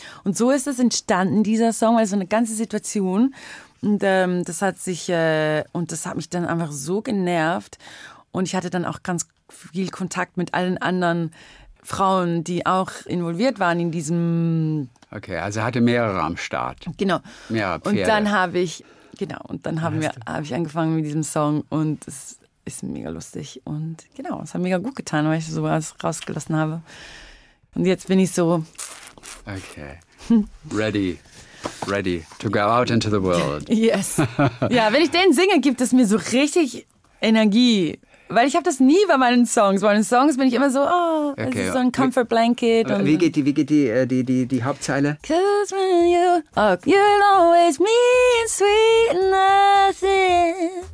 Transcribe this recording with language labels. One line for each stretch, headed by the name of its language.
German: Und so ist es entstanden, dieser Song, weil so eine ganze Situation, und das hat mich dann einfach so genervt, und ich hatte dann auch ganz viel Kontakt mit allen anderen Frauen, die auch involviert waren in diesem. Okay, also hatte mehrere am Start. Genau. Mehrere Pferde. Und dann habe ich angefangen mit diesem Song, und es ist mega lustig. Und genau, es hat mega gut getan, weil ich sowas rausgelassen habe. Und jetzt bin ich so.
English: Okay. Ready. Ready to go out into the world. Yes.
German: Ja, wenn ich den singe, gibt es mir so richtig Energie. Weil ich habe das nie bei meinen Songs. Bei meinen Songs bin ich immer so, oh, okay, es ist so ein Comfort Blanket. Und wie geht die Hauptzeile?
English: Kiss me, you, oh, you'll always mean sweet nothing.